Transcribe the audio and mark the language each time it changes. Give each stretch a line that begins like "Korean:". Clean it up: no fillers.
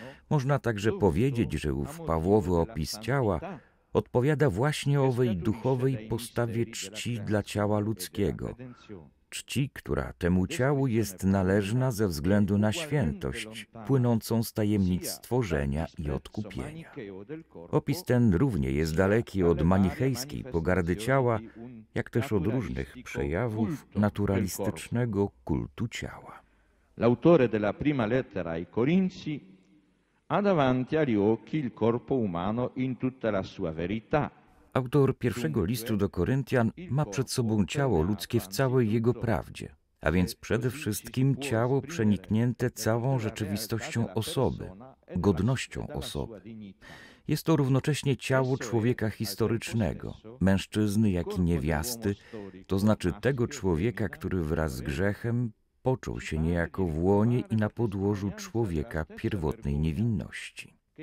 Polish: Można także powiedzieć, że ów Pawłowy opis ciała odpowiada właśnie owej duchowej postawie czci dla ciała ludzkiego, czci, która temu ciału jest należna ze względu na świętość, płynącą z tajemnic stworzenia i odkupienia. Opis ten równie jest daleki od manichejskiej pogardy ciała, jak też od różnych przejawów naturalistycznego kultu ciała.
Italian: L'autore della prima lettera ai Corinzi ha davanti agli occhi il corpo umano in tutta la sua verità.
Polish: Autor pierwszego listu do Koryntian ma przed sobą ciało ludzkie w całej jego prawdzie, a więc przede wszystkim ciało przeniknięte całą rzeczywistością osoby, godnością osoby. Jest to równocześnie ciało człowieka historycznego, mężczyzny jak i niewiasty, to znaczy tego człowieka, który wraz z grzechem począł się niejako w łonie i na podłożu człowieka pierwotnej niewinności.